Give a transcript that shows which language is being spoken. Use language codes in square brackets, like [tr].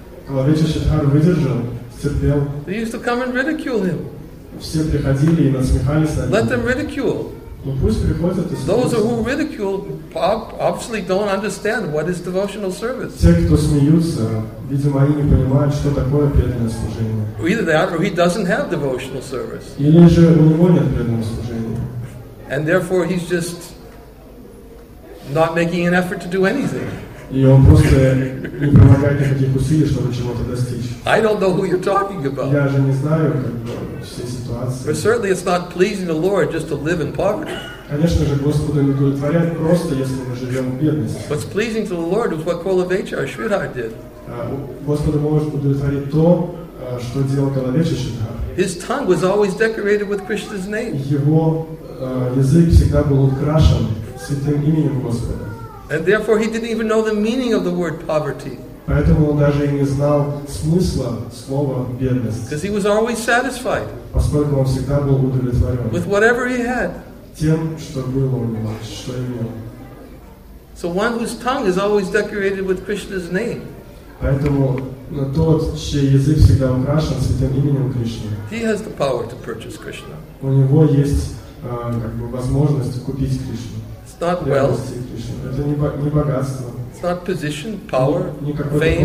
[ru] Калавича Шридхар выдержал. [en] They used to come and ridicule him. [ru] Все приходили и насмехались над ним. [en] Let them ridicule. [ru] Ну пусть приходят и смеются. [en] Those who ridicule obviously don't understand what is devotional service. [ru] Те, кто смеются, видимо, они не понимают, что такое преданное служение. [en] Either that, or he doesn't have devotional service. [ru] Или же у него нет преданного служения. [en] And therefore, he's just not making an effort to do anything. [ru] И он просто не прилагает никаких усилий, чтобы чего-то достичь. [en] I don't know who you're talking about. [ru] Я же не знаю, как все ситуации. [en] But certainly it's not pleasing the Lord just to live in poverty. [ru] Конечно же, Господу не удовлетворяет просто, если мы живем в бедности. [en] What's pleasing to the Lord is what Калавича Шридхар did. [ru] Господу может удовлетворить то, что делал Калавича Шридхар. [en] His tongue was always decorated with Krishna's name. [ru] Его язык всегда был украшен святым именем Господа. [en] And therefore, he didn't even know the meaning of the word poverty. [ru] Поэтому он даже и не знал смысла слова бедность. [en] Because he was always satisfied. [ru] Поскольку он всегда был удовлетворен. [en] With whatever he had. [ru] Тем, что было у него, что имел. [en] So one whose tongue is always decorated with Krishna's name. [ru] Поэтому тот, чей язык всегда украшен святым именем Кришны. [en] He has the power to purchase Krishna. [ru] У него есть возможность купить Кришну. [en] Not wealth. [ru] Не богатство. [en] It's not position, power, fame.